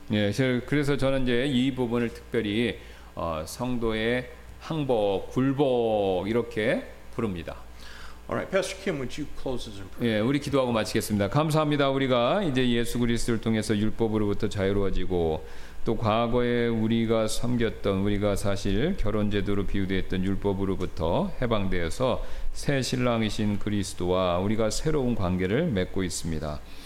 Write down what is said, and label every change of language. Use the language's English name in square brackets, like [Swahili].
[Korean] 예, 그래서 저는 이제 이 부분을 특별히 성도의 항복, 굴복 이렇게 부릅니다. [English] All right, Pastor Kim, would you close us in prayer? [Korean] 예, 우리 기도하고 마치겠습니다. 감사합니다. 우리가 이제 예수 그리스도를 통해서 율법으로부터 자유로워지고 또 과거에 우리가 섬겼던 우리가 사실 결혼 제도로 비유되었던 율법으로부터 해방되어서 새 신랑이신 그리스도와 우리가 새로운 관계를 맺고 있습니다.